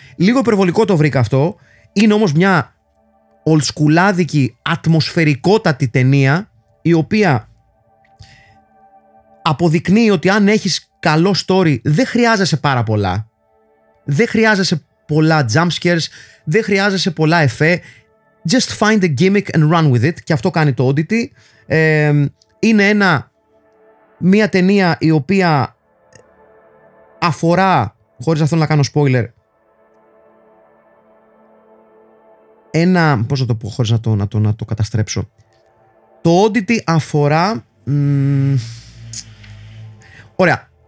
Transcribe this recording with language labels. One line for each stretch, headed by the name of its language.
Greek: Λίγο υπερβολικό το βρήκα αυτό. Είναι όμως μια ολσκουλάδικη, ατμοσφαιρικότατη ταινία, η οποία αποδεικνύει ότι αν έχεις καλό story, δεν χρειάζεσαι πάρα πολλά. Δεν χρειάζεσαι πολλά jump scares, δεν χρειάζεσαι πολλά εφέ.
English: Just find a gimmick and run with it.
Greek: Και αυτό κάνει το Oddity. Είναι μια ταινία η οποία αφορά, χωρίς να θέλω να κάνω spoiler, ένα, πώς να το πω χωρίς να το καταστρέψω, το Oddity αφορά, ωραία,